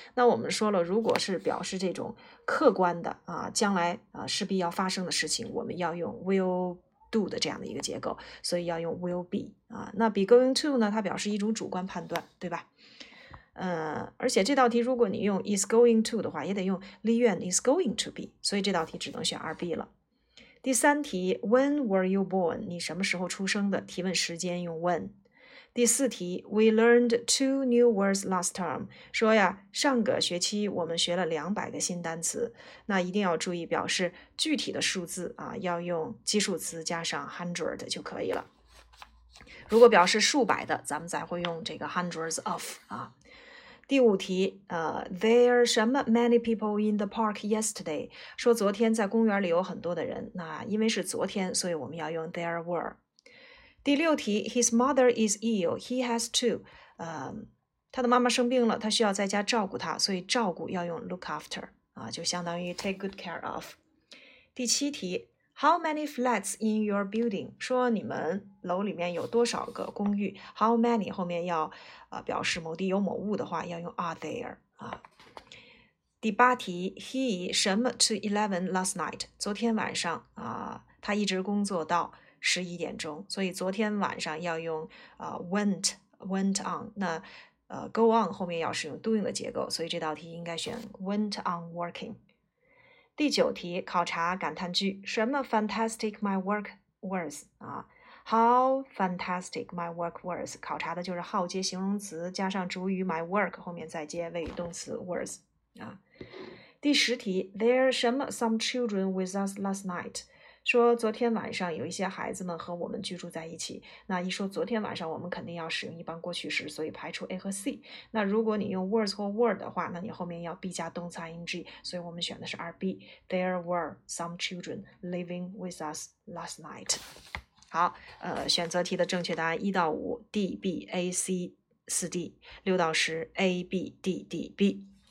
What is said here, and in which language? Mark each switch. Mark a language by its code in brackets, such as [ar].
[zh] 那我们说了，如果是表示这种客观的啊，将来啊势必要发生的事情，我们要用 will do 的这样的一个结构，所以要用 will be 啊。那 be going to 呢，它表示一种主观判断，对吧？而且这道题如果你用 is going to 的话，也得用李元 is going to be， 所以这道题只能选 2B 了。第三题 [en] ，When were you born？ [zh] 你什么时候出生的？提问时间用 when。第四题 , [en] We learned two new words last term. [zh] 说呀，上个学期我们学了200个新单词。那一定要注意表示具体的数字啊，要用基数词加上 hundred 就可以了。如果表示数百的，咱们才会用这个 hundreds of 啊。第五题,there 什么 [en] many people in the park yesterday? [zh] 说昨天在公园里有很多的人，那因为是昨天，所以我们要用 there were。第六题 , [en] His mother is ill, he has to, [zh] 他的妈妈生病了，他需要在家照顾他，所以照顾要用 look after, 啊，就相当于 [en] take good care of。 [zh] 第七题 [en] ,How many flats in your building? [zh] 说你们楼里面有多少个公寓 ,How many 后面要表示某地有某物的话要用 are there, 啊。第八题 ,He 什么 to 11 last night, 昨天晚上啊他一直工作到11点钟，所以昨天晚上要用went on， 那go on 后面要使用 doing 的结构，所以这道题应该选 [en] went on working。 [zh] 第九题考察感叹句，什么 fantastic my work was 啊， [en] how fantastic my work was， [zh] 考察的就是 how 接形容词加上主语 my work， 后面再接谓语动词 was 啊。第十题 there 什么 [en] some children with us last night， [zh] 说昨天晚上有一些孩子们和我们居住在一起，那一说昨天晚上我们肯定要使用一般过去时，所以排除 A 和 C。那如果你用 was 或 were 的话，那你后面要 be 加动词 ing， 所以我们选的是 2B， [en] There were some children living with us last night。 [zh] 好，选择题的正确答案1到5 D B A C 4D 6到10 A B D D B。